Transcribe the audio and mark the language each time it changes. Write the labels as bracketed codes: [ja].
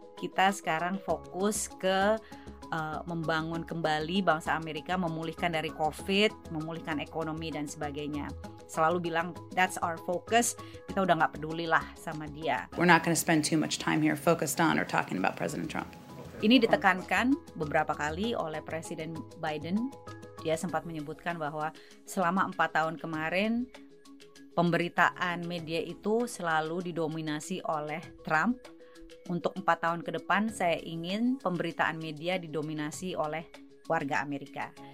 [id] Kita sekarang fokus ke membangun kembali bangsa Amerika, memulihkan dari COVID, memulihkan ekonomi dan sebagainya. Selalu bilang, [en] that's our focus, [id] kita udah gak peduli lah sama dia. [en] We're not gonna spend too much time here focused on or talking about President Trump. [id] Ini ditekankan beberapa kali oleh Presiden Biden. Dia sempat menyebutkan bahwa selama 4 tahun kemarin, pemberitaan media itu selalu didominasi oleh Trump. Untuk 4 tahun ke depan, saya ingin pemberitaan media didominasi oleh warga Amerika.